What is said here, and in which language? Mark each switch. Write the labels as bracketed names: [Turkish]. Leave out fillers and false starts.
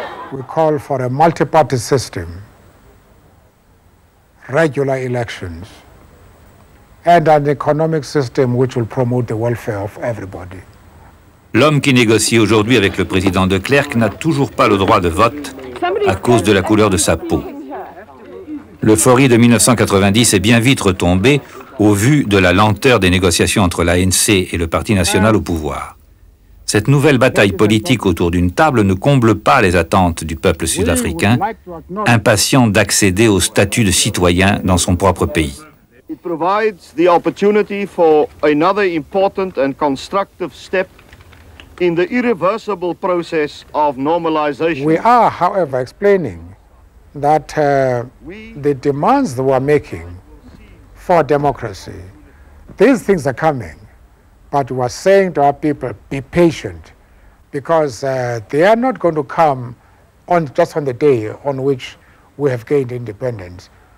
[English] We call for a multi-party system, regular elections, and an economic system which will promote the welfare of everybody. [French] L'homme qui négocie aujourd'hui avec le président de Klerk n'a toujours pas le droit de vote à cause de la couleur de sa peau. L'euphorie de 1990 est bien vite retombée au vu de la lenteur des négociations entre l'ANC et le Parti national au pouvoir. Cette nouvelle bataille politique autour d'une table ne comble pas les attentes du peuple sud-africain, impatient d'accéder au statut de citoyen dans son propre pays. [English] It provides the opportunity for another important and constructive step in the irreversible process of normalization. We are, however, explaining that the demands that we're making for democracy, these things are coming, but we're saying to our people, be patient, because they are not going to come on just on the day on which we have gained independence.